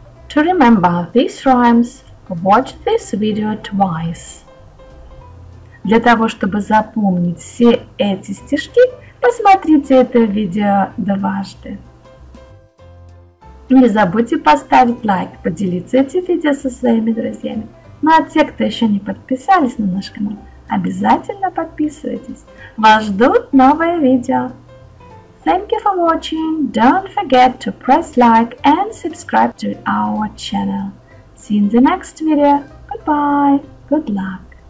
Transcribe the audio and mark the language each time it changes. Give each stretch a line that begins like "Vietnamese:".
English: To remember these rhymes, watch this video twice.
Russian: Для того, чтобы запомнить все эти стишки, посмотрите это видео дважды. Не забудьте поставить лайк, поделиться этим видео со своими друзьями. Ну а те, кто еще не подписались на наш канал, обязательно подписывайтесь. Вас ждут новые видео.
English: Thank you for watching. Don't forget to press like and subscribe to our channel. See you in the next video. Goodbye. Good luck.